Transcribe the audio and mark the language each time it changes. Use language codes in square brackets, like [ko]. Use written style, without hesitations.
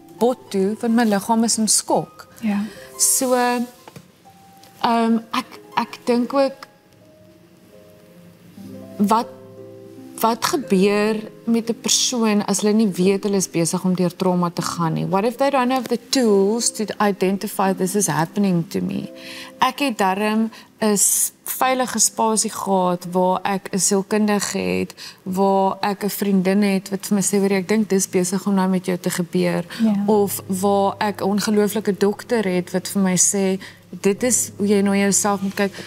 [af] Bot toe, want my liggaam is in skok. Ja. So, ek dink ook, wat gebeur met 'n persoon as hulle nie weet hulle is besig om deur trauma te gaan nie? [en] What if they don't have the tools to identify this is happening to me? [af] Ek het daarom 'n veilige spasie gehad waar ek 'n sielkundige het, waar ek 'n vriendin het wat vir my sê waar ek dink dis besig om nou met jou te gebeur, yeah. Of waar ek 'n ongelooflike dokter het wat vir my sê dit is hoe jy nou jouself moet kyk.